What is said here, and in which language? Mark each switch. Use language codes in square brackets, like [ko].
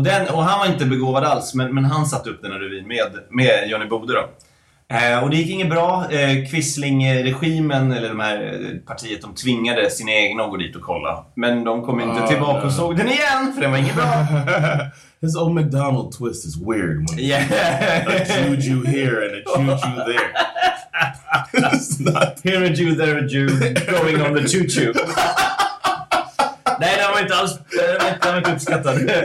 [sv] Och han var inte begåvad alls, men han satte upp den här revyn med Johnny Bode då. Och det gick inget bra. Quisling-regimen eller de här partiet, de tvingade sina egna att gå dit och kolla. Men de kom inte tillbaka och såg den igen, för den var inget bra. [en] His old McDonald twist is weird. Yeah. A juju here and a juju there. Not... Here a Jew, there a Jew, going on the choo-choo. [sv] Nej, den var inte alls, den var inte uppskattad.